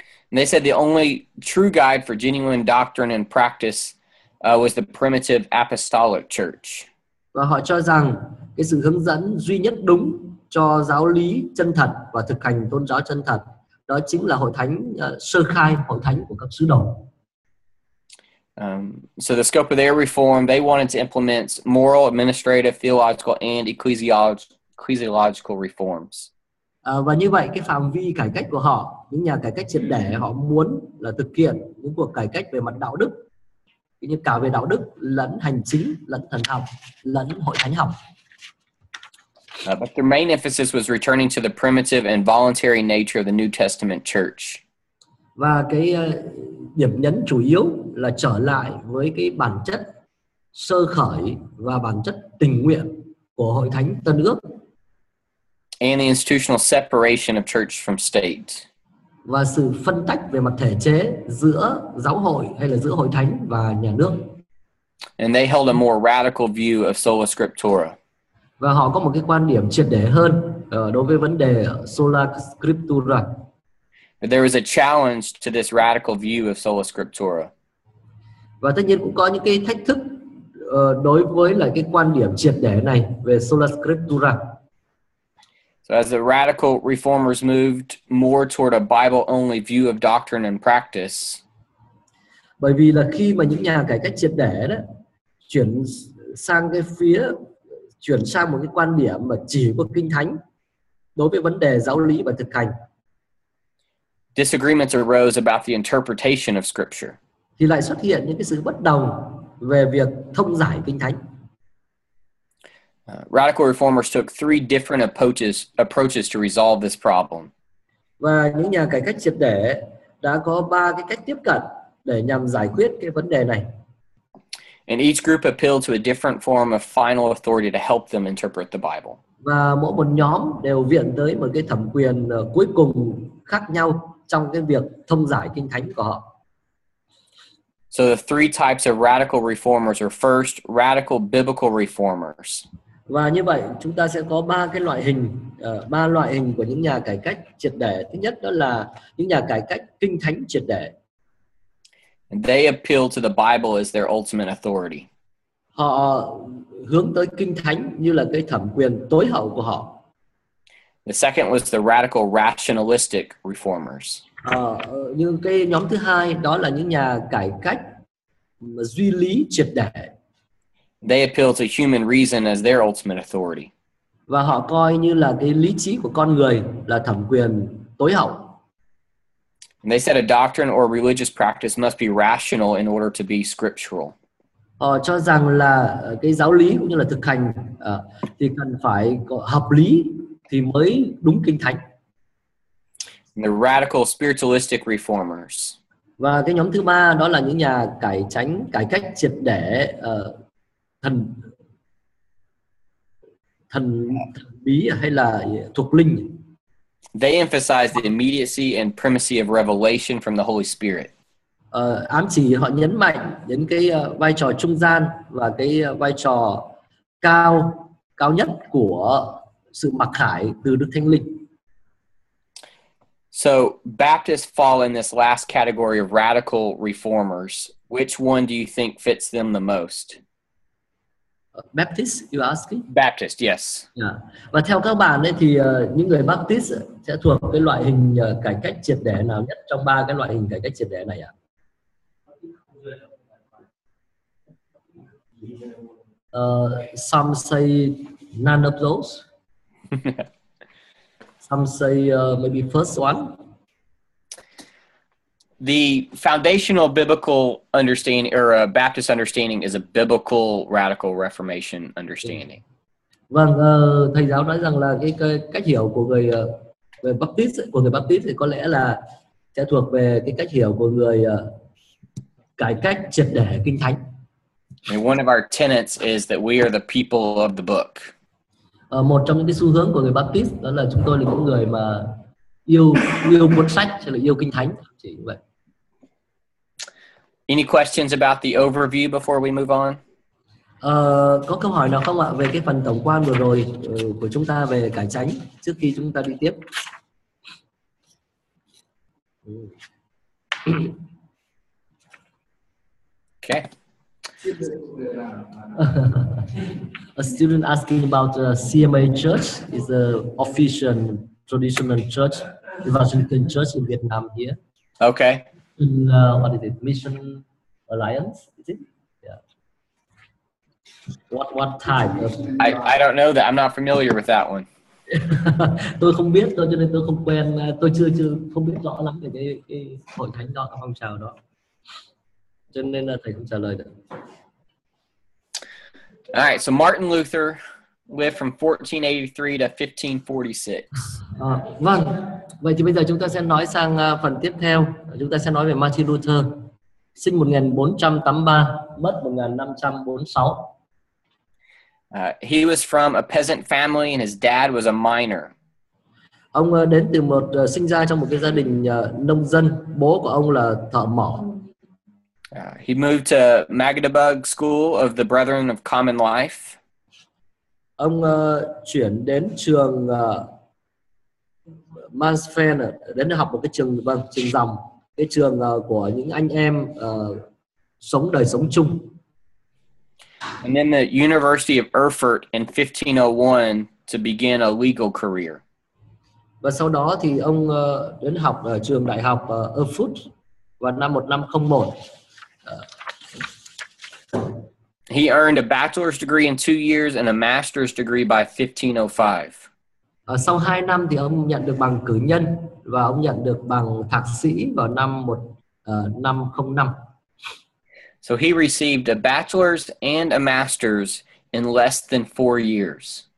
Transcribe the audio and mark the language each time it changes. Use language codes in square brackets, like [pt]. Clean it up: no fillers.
[en] And they said the only true guide for genuine doctrine and practice was the primitive apostolic church. [vi] Và họ cho rằng cái sự hướng dẫn duy nhất đúng cho giáo lý chân thật và thực hành tôn giáo chân thật đó chính là hội thánh sơ khai, hội thánh của các sứ đồ. [en] So the scope of their reform, they wanted to implement moral, administrative, theological and ecclesiological reforms. [vi] Và như vậy cái phạm vi cải cách của họ, những nhà cải cách triệt để họ muốn là thực hiện những cuộc cải cách về mặt đạo đức, như cả về đạo đức lẫn hành chính, lẫn thần học, lẫn hội thánh học. [en] But their main emphasis was returning to the primitive and voluntary nature of the New Testament church. [vi] Và cái điểm nhấn chủ yếu là trở lại với cái bản chất sơ khởi và bản chất tình nguyện của hội thánh Tân Ước. [en] And the institutional separation of church from state. [vi] Và sự phân tách về mặt thể chế giữa giáo hội hay là giữa hội thánh và nhà nước. [en] And they held a more radical view of sola scriptura. [vi] Và họ có một cái quan điểm triệt để hơn đối với vấn đề sola scriptura. [en] But there was a challenge to this radical view of sola scriptura. [vi] Và tất nhiên cũng có những cái thách thức đối với lại cái quan điểm triệt để này về sola scriptura. [en] As the radical reformers moved more toward a Bible-only view of doctrine and practice, [vi] bởi vì là khi mà những nhà cải cách triệt để đó chuyển sang cái phía chuyển sang một cái quan điểm mà chỉ có kinh thánh đối với vấn đề giáo lý và thực hành, [en] disagreements arose about the interpretation of Scripture. [vi] Thì lại xuất hiện những cái sự bất đồng về việc thông giải kinh thánh. [en] Radical reformers took three different approaches to resolve this problem. [vi] Và những nhà cải cách triệt để đã có ba cái cách tiếp cận để nhằm giải quyết cái vấn đề này. [en] And each group appealed to a different form of final authority to help them interpret the Bible. [vi] Và mỗi một nhóm đều viện tới một cái thẩm quyền cuối cùng khác nhau trong cái việc thông giải kinh thánh của họ. [en] So the three types of radical reformers are first, radical biblical reformers. [vi] Và như vậy chúng ta sẽ có ba cái loại hình của những nhà cải cách triệt để. Thứ nhất đó là những nhà cải cách kinh thánh triệt để. [en] And they appeal to the Bible as their ultimate authority. [vi] Họ hướng tới kinh thánh như là cái thẩm quyền tối hậu của họ. [en] The second was the radical rationalistic reformers. [vi] Như cái nhóm thứ hai đó là những nhà cải cách duy lý triệt để. [en] They appeal to human reason as their ultimate authority. [vi] Và họ coi như là cái lý trí của con người là thẩm quyền tối hậu. [en] And they said a doctrine or religious practice must be rational in order to be scriptural. [vi] Họ cho rằng là cái giáo lý cũng như là thực hành thì cần phải có hợp lý thì mới đúng kinh thánh. [en] And the radical spiritualistic reformers. [vi] Và cái nhóm thứ ba đó là những nhà cải cách triệt để thần bí hay là thuộc linh. [en] They emphasize the immediacy and primacy of revelation from the Holy Spirit. [vi] Ám chỉ họ nhấn mạnh đến cái vai trò trung gian và cái vai trò cao nhất của sự mặc khải từ Đức Thánh Linh. [en] So Baptists fall in this last category of radical reformers. Which one do you think fits them the most? Baptist, you asking? Baptist, yes. Yeah. [vi] Và theo các bạn ấy, thì những người Baptist sẽ thuộc cái loại hình cải cách triệt để nào nhất trong ba cái loại hình cải cách triệt để này ạ? [en] Some say none of those. Some say maybe first one. The foundational biblical understanding or a Baptist understanding is a biblical radical reformation understanding. [vi] Vâng, thầy giáo nói rằng là cái cách hiểu của người về Baptist, của người Baptist thì có lẽ là sẽ thuộc về cái cách hiểu của người cải cách triệt để Kinh Thánh. [en] And one of our tenets is that we are the people of the book. [vi] Một trong những cái xu hướng của người Baptist đó là chúng tôi là những người mà yêu cuốn sách hay là yêu Kinh Thánh, chỉ như vậy. [en] Any questions about the overview before we move on? [vi] Có câu hỏi nào không ạ về cái phần tổng quan vừa rồi của chúng ta về cải chánh trước khi chúng ta đi tiếp? [en] Okay. A student asking about CMA Church is the official traditional church, evangelical church in Vietnam here. Okay. In, what is it? Mission Alliance, is it? Yeah. What type? I don't know that. I'm not familiar with that one. [vi] Tôi không biết, cho nên tôi không quen, tôi chưa không biết rõ lắm về cái hội thánh đó, phong trào đó. Cho nên là thầy không trả lời được. [en] All right, so Martin Luther lived from 1483 to 1546. [vi] Vâng, vậy thì bây giờ chúng ta sẽ nói sang phần tiếp theo. Chúng ta sẽ nói về Martin Luther, sinh 1483, mất 1546. [en] He was from a peasant family and his dad was a miner. [vi] Ông đến từ một sinh ra trong một cái gia đình nông dân, bố của ông là thợ mỏ. [en] He moved to Magdeburg School of the Brethren of Common Life. [vi] Ông chuyển đến trường Mansfeld, đến học một cái trường, vâng, trường dòng, cái trường của những anh em sống đời sống chung. [en] And then the University of Erfurt in 1501 to begin a legal career. [vi] Và sau đó thì ông đến học ở trường đại học Erfurt vào năm 1501. [en] He earned a bachelor's degree in 2 years and a master's degree by 1505. [vi] Sau 2 năm thì ông nhận được bằng cử nhân và ông nhận được bằng thạc sĩ vào năm 1505. [en] So he received a bachelor's and a master's in less than 4 years.